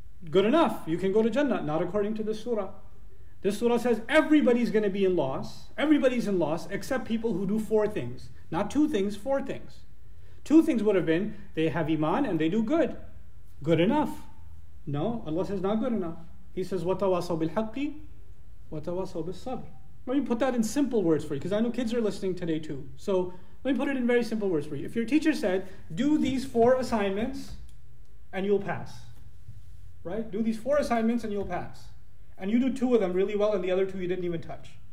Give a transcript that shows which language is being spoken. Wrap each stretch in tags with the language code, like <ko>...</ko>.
<en>Good enough, you can go to Jannah, not according to this surah. This surah says everybody's going to be in loss. Everybody's in loss except people who do four things. Not two things, four things. Two things would have been, they have Iman and they do good. Good enough. No, Allah says not good enough. He says,</en> <ar>وَتَوَاصَوْ بِالْحَقِّ وَتَوَاصَوْ بِالصَّبْرِ.</ar> <en>Let me put that in simple words for you, because I know kids are listening today too. So let me put it in very simple words for you. If your teacher said, do these four assignments and you'll pass. Right? Do these four assignments and you'll pass. And you do two of them really well and the other two you didn't even touch.</en>